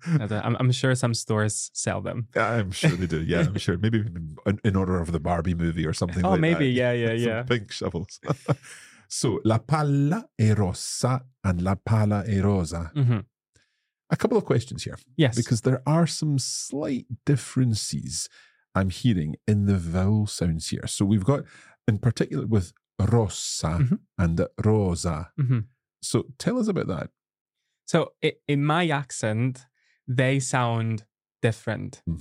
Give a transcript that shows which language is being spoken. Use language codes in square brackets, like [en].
[en] I'm sure some stores sell them. I'm sure they do. Yeah, I'm sure. Maybe in honor of the Barbie movie or something like maybe. That. Oh, maybe. Yeah. Pink shovels. [it] So, la palla è rossa and la palla è rosa. [en] A couple of questions here. Yes. Because there are some slight differences I'm hearing in the vowel sounds here. So we've got, in particular with rossa and rosa. So tell us about that. So in my accent, they sound different.